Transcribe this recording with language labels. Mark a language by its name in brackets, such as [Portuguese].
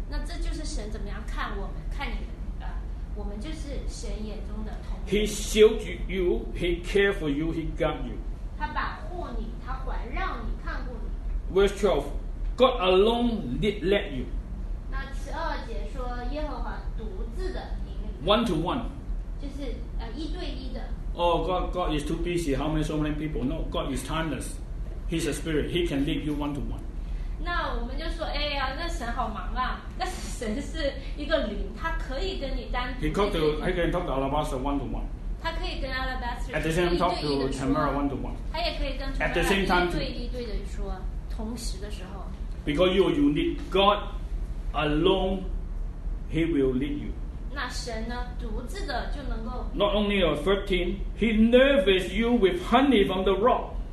[Chinese] 那这就是神怎么样看我们，看你，我们就是神眼中的同。 [English] He shield you, He cared for you, He guard you. [Chinese] 他保护你，他环绕你，看顾你。 [English] Verse 12, God alone did let you. [Chinese] 那十二节说耶和华独自的引领。 [English] One to one. [Chinese] 就是一对一的。 [English] Oh, God is too busy. How many, so many people? No, God is timeless. He's a spirit. He can lead you one to one. [Chinese] 那我们就说，哎呀，那神好忙啊。那神是一个灵，他可以跟你单独。 [English] He can talk to Alabaster one to one. [Chinese] 他可以跟Alabaster [English] At the same time, to Tamara one to one. [Chinese] 他也可以跟Tamara一对一对的说，同时的时候。 [English] Because you are unique. God alone, He will lead you. [Chinese] 那神呢, [English] Not only a 13, he nourishes you with honey from the rock.